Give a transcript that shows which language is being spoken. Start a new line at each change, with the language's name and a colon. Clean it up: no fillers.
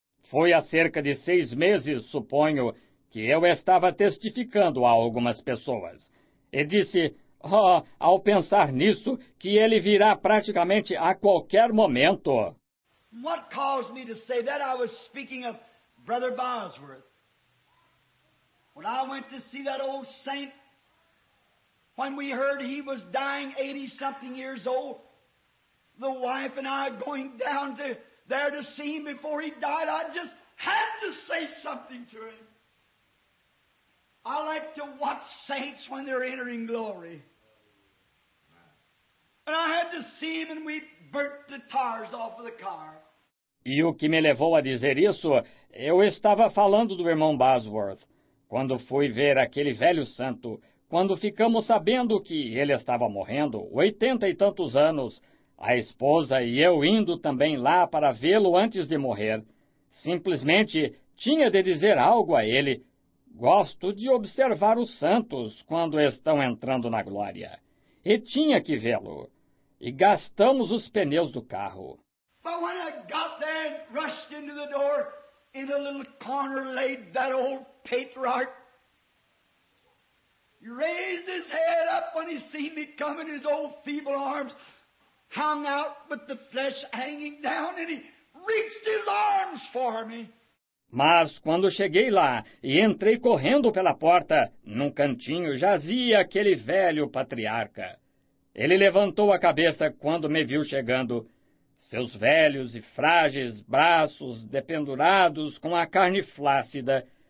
Portuguese: Foi há cerca de 6 meses, suponho, que eu estava testificando a algumas pessoas. E disse, oh, ao pensar nisso, que ele virá praticamente a qualquer momento.
English: What caused me to say that? I was speaking of Brother Bosworth. When I went to see that old saint, when we heard he was dying 80-something years old, the wife and I going down to there to see him before he died, I just had to say something to him. I like to watch saints when they're entering glory. And I had to see him and we burnt the tires off of the car.
Portuguese: E o que me levou a dizer isso, eu estava falando do irmão Bosworth. Quando fui ver aquele velho santo, quando ficamos sabendo que ele estava morrendo, 80 e tantos anos, a esposa e eu indo também lá para vê-lo antes de morrer, simplesmente tinha de dizer algo a ele. Gosto de observar os santos quando estão entrando na glória. E tinha que vê-lo. E gastamos os pneus do carro.
English: But when I got there and rushed into the door, in a little corner laid that old patriarch. He raised his head up when he seen me coming, his old feeble arms hung out with the flesh hanging down, and he reached his arms for me.
Portuguese: Mas quando cheguei lá e entrei correndo pela porta, num cantinho jazia aquele velho patriarca. Ele levantou a cabeça quando me viu chegando. Seus velhos e frágeis braços dependurados com a carne flácida.